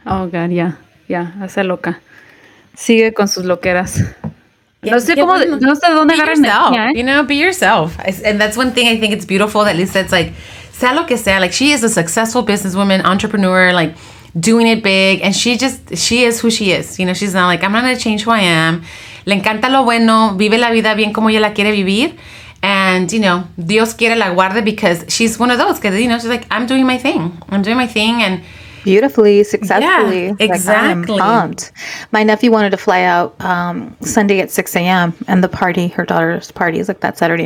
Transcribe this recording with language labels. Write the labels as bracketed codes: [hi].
[en] Oh, God, yeah. Yeah, [es] hace loca. Sigue con sus loqueras. [en] You know, be yourself. And that's one thing I think it's beautiful, that Lisa, it's like, [es] sea lo que sea, [en] like, she is a successful businesswoman, entrepreneur, like, doing it big, and she is who she is. You know, she's not like, I'm not gonna change who I am. [es] le encanta lo bueno, vive la vida bien como ella la quiere vivir. [en] And, you know, [es] Dios quiere la guarde, [en] because she's one of those. Because, you know, she's like, I'm doing my thing. I'm doing my thing. And beautifully, successfully. Yeah, exactly. Like, I'm pumped. My nephew wanted to fly out Sunday at 6 a.m. And the party, her daughter's party, is like that Saturday.